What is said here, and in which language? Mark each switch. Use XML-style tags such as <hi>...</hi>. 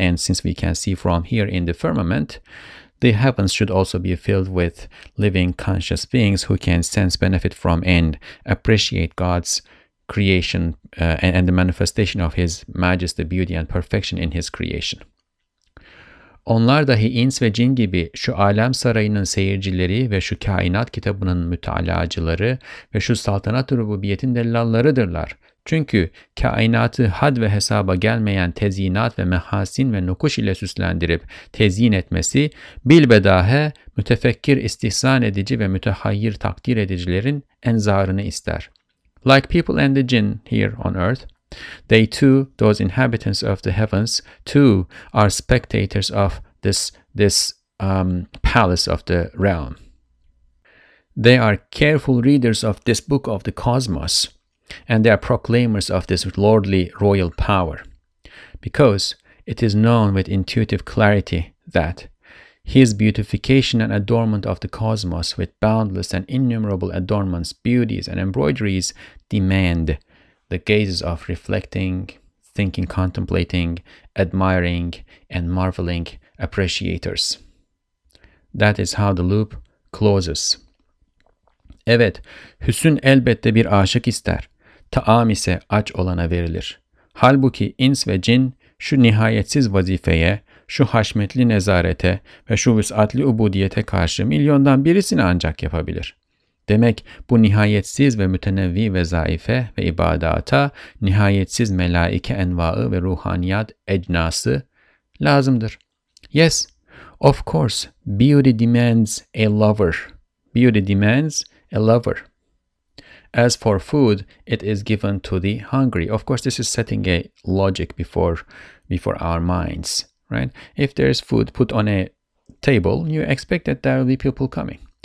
<en>And since we can see from here in the firmament, the heavens should also be filled with living, conscious beings who can sense, benefit from, and appreciate God's creation and the manifestation of His majesty, beauty, and perfection in His creation.</en> <tr>Onlar dahi ins ve cin gibi şu alem sarayının seyircileri ve şu kainat kitabının mütalacıları ve şu saltanat rububiyetin delallarıdırlar. Çünkü kainatı had ve hesaba gelmeyen tezyinat ve mehasin ve nukuş ile süslendirip tezyin etmesi bilbedahe mütefekkir istihsan edici ve mütehayyir takdir edicilerin enzarını ister.</tr> <en>Like people and the jinn here on earth, they too, those inhabitants of the heavens, too, are spectators of this palace of the realm. They are careful readers of this book of the cosmos, and they are proclaimers of this lordly royal power, because it is known with intuitive clarity that his beautification and adornment of the cosmos with boundless and innumerable adornments, beauties, and embroideries demand the gazes of reflecting, thinking, contemplating, admiring, and marveling appreciators. That is how the loop closes.</en> <tr>Evet, hüsn elbette bir aşık ister. Taam ise aç olana verilir. Halbuki ins ve cin şu nihayetsiz vazifeye, şu haşmetli nezarete ve şu vüs'atli ubudiyete karşı milyondan birisini ancak yapabilir. Demek bu nihayetsiz ve mütenevvi vezaife ve ibadata nihayetsiz melaike envaı ve ruhaniyat ecnası lazımdır.</tr> <en>Yes, of course, beauty demands a lover. Beauty demands a lover. As for food, it is given to the hungry. Of course, this is setting a logic before our minds, right? If there is food put on a table, you expect that there will be people coming.</en>